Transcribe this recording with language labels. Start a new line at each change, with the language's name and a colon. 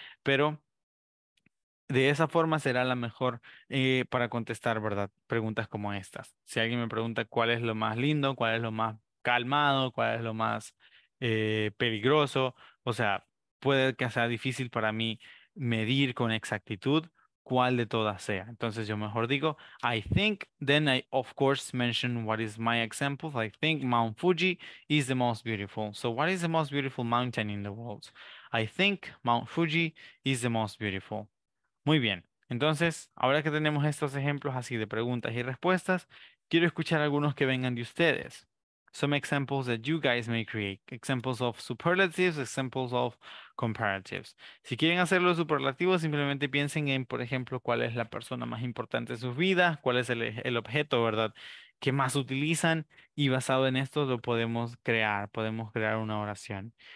Spanish: Pero de esa forma será la mejor para contestar, ¿verdad?, preguntas como estas. Si alguien me pregunta cuál es lo más lindo, cuál es lo más calmado, cuál es lo más peligroso, o sea, puede que sea difícil para mí medir con exactitud cuál de todas sea. Entonces yo mejor digo,
English: I think, then I of course mention what is my example. I think Mount Fuji is the most beautiful. So what is the most beautiful mountain in the world? I think Mount Fuji is the most beautiful.
Spanish: Muy bien. Entonces, ahora que tenemos estos ejemplos así de preguntas y respuestas, quiero escuchar algunos que vengan de ustedes.
English: Some examples that you guys may create. Examples of superlatives, examples of comparatives.
Spanish: Si quieren hacerlo superlativo, simplemente piensen en, por ejemplo, cuál es la persona más importante de sus vidas, cuál es el objeto, ¿verdad?, que más utilizan, y basado en esto lo podemos crear una oración.